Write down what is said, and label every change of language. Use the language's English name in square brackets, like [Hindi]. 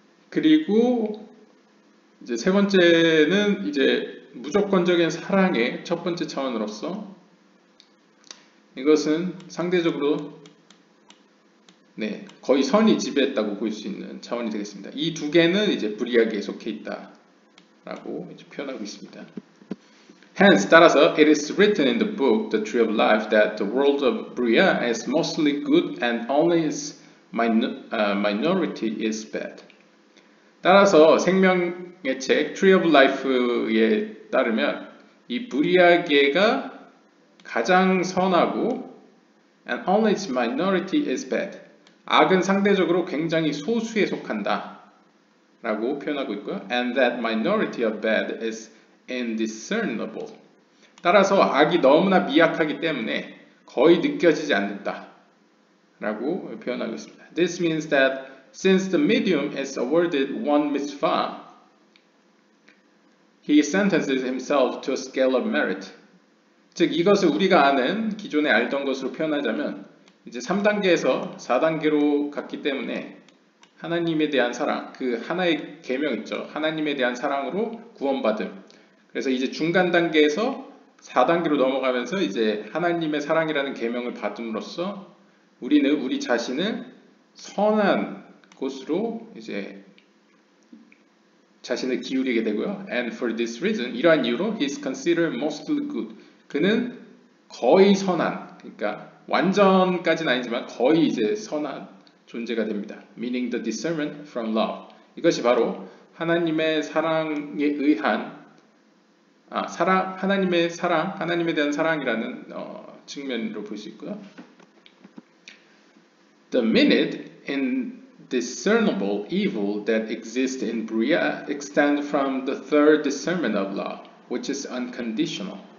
[Korean] 그리고 이제 세 번째는 이제 무조건적인 사랑의 첫 번째 차원으로서 이것은 상대적으로 네 거의 선이 지배했다고 볼 수 있는 차원이 되겠습니다. 이 두 개는 이제 불이하게 속해 있다라고 이제 표현하고 있습니다. [English] Hence, [Korean] 따라서 [English] It is written in the book, The Tree of Life, that the world of Bria is mostly good and only its minority is bad. [Korean] 따라서 생명의 책 Tree of Life에 따르면 이 부리아계가 가장 선하고 [English] and only its minority is bad. [Korean] 악은 상대적으로 굉장히 소수에 속한다 라고 표현하고 있고요. [English] And that minority of bad is indiscernible. [Korean] 따라서 악이 너무나 미약하기 때문에 거의 느껴지지 않는다 라고 표현하고 있습니다. [English] This means that Since the medium is awarded one mitzvah, he sentences himself to a scale of merit. [Korean] 즉, 이것을 우리가 아는 기존에 알던 것으로 표현하자면 이제 3단계에서 4단계로 갔기 때문에 하나님에 대한 사랑, 그 하나의 계명 있죠. 하나님에 대한 사랑으로 구원받음. 그래서 이제 중간 단계에서 4단계로 넘어가면서 이제 하나님의 사랑이라는 계명을 받음으로써 우리는 우리 자신을 선한 곳으로 이제 자신을 기울이게 되고요. [English] And for this reason, [Korean] 이러한 이유로 [English] he is considered mostly good. [Korean] 그는 거의 선한, 그러니까 완전까지는 아니지만 거의 이제 선한 존재가 됩니다. [English] Meaning the discernment from love. [Korean] 이것이 바로 하나님의 사랑에 의한 하나님의 사랑, 하나님에 대한 사랑이라는 측면으로 볼 수 있고요. [English] The minute in discernible evil that exists in Bria extend from the third discernment of love, which is unconditional.